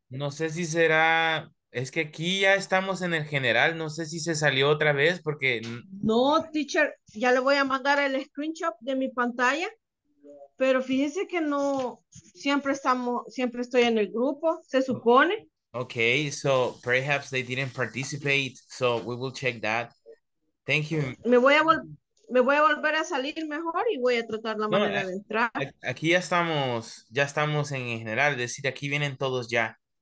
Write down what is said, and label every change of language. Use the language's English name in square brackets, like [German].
[Spanish] No sé si será, es que aquí ya estamos en el general, no sé si se salió otra vez porque... No, teacher, ya le voy a mandar el screenshot de mi pantalla, pero fíjese que no, siempre estamos, siempre estoy en el grupo, se supone. [English] Okay, so perhaps they didn't participate, so we will check that. Thank you. [Spanish] Me voy a volver a salir mejor y voy a tratar la manera de entrar. Aquí ya estamos en general, es decir, aquí vienen todos ya.